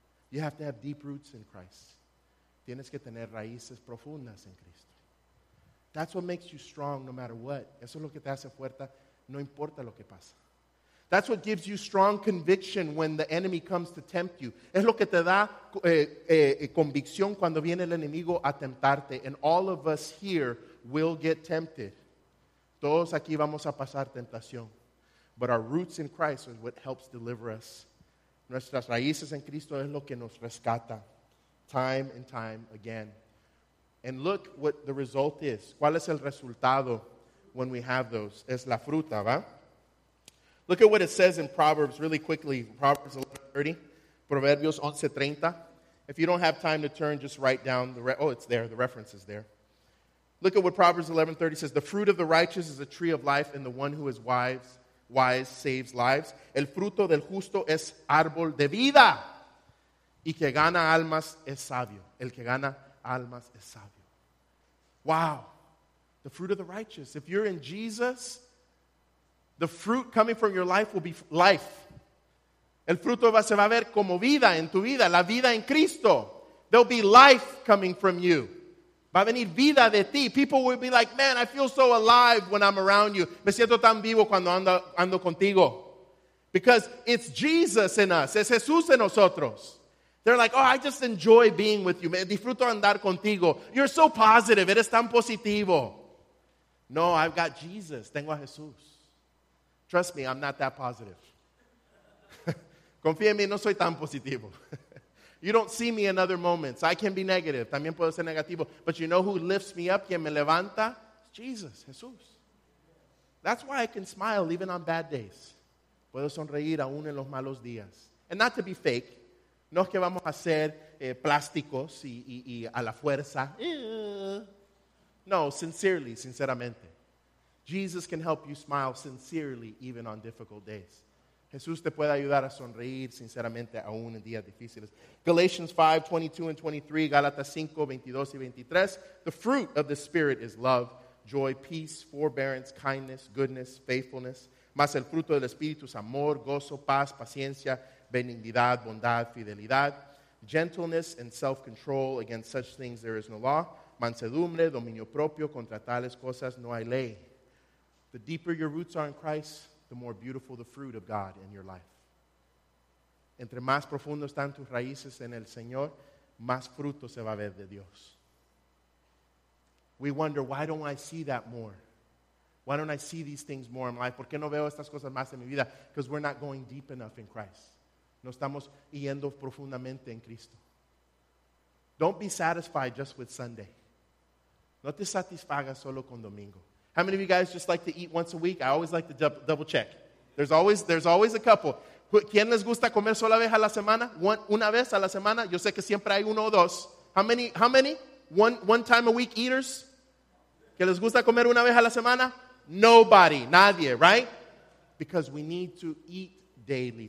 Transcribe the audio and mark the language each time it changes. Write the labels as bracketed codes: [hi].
[en] You have to have deep roots in Christ. [es] Tienes que tener raíces profundas en Cristo. [en] That's what makes you strong no matter what. [es] Eso es lo que te hace fuerte, no importa lo que pasa. [en] That's what gives you strong conviction when the enemy comes to tempt you. [es] Es lo que te da convicción cuando viene el enemigo a tentarte. [en] And all of us here will get tempted. [es] Todos aquí vamos a pasar tentación. [en] But our roots in Christ is what helps deliver us. [es] Nuestras raíces en Cristo es lo que nos rescata. [en] Time and time again. And look what the result is. [es] ¿Cuál es el resultado [en] when we have those? [es] Es la fruta, ¿va? [en] Look at what it says in Proverbs really quickly. Proverbs 11:30. Proverbios 11:30. If you don't have time to turn, just write down. It's there. The reference is there. Look at what Proverbs 11:30 says. The fruit of the righteous is a tree of life, and the one who is wise saves lives. [es] El fruto del justo es árbol de vida. Y que gana almas es sabio. El que gana almas es sabio. Wow. [en] The fruit of the righteous. If you're in Jesus, the fruit coming from your life will be life. [es] El fruto se va a ver como vida en tu vida. La vida en Cristo. [en] There'll be life coming from you. [es] Va a venir vida de ti. [en] People will be like, man, I feel so alive when I'm around you. [es] Me siento tan vivo cuando ando contigo. [en] Because it's Jesus in us. [es] Es Jesús en nosotros. [en] They're like, oh, I just enjoy being with you. [es] Me disfruto andar contigo. [en] You're so positive. [es] Eres tan positivo. [en] No, I've got Jesus. [es] Tengo a Jesús. [en] Trust me, I'm not that positive. [es] Confía en mí, no soy tan positivo. [en] You don't see me in other moments. I can be negative. [es] También puedo ser negativo. [en] But you know who lifts me up, [es] quien me levanta? [en] It's Jesus, Jesús. That's why I can smile even on bad days. [es] Puedo sonreír aún en los malos días. [en] And not to be fake. [es] No es que vamos a ser plásticos y a la fuerza. [en] No, sincerely, sinceramente. Jesus can help you smile sincerely even on difficult days. [es] Jesús te puede ayudar a sonreír sinceramente aún en días difíciles. [en] Galatians 5:22 and 23, Galatas 5:22 y 23. The fruit of the Spirit is love, joy, peace, forbearance, kindness, goodness, faithfulness. [es] Mas el fruto del Espíritu es amor, gozo, paz, paciencia, benignidad, bondad, fidelidad, [en] gentleness and self-control. Against such things there is no law. [es] Mansedumbre, dominio propio, contra tales cosas no hay ley. [en] The deeper your roots are in Christ, the more beautiful the fruit of God in your life. [es] Entre más profundo están tus raíces en el Señor, más fruto se va a ver de Dios. [en] We wonder, why don't I see that more? Why don't I see these things more in life? [es] ¿Por qué no veo estas cosas más en mi vida? [en] Because we're not going deep enough in Christ. [es] No estamos yendo profundamente en Cristo. [en] Don't be satisfied just with Sunday. [es] No te satisfagas solo con domingo. [en] How many of you guys just like to eat once a week? I always like to double check. There's always a couple. [es] ¿Quién les gusta comer sola vez a la semana? Una vez a la semana. Yo sé que siempre hay uno o dos. [en] How many? One time a week eaters? [es] ¿Que les gusta comer una vez a la semana? [en] Nobody. Nadie, right? Because we need to eat daily.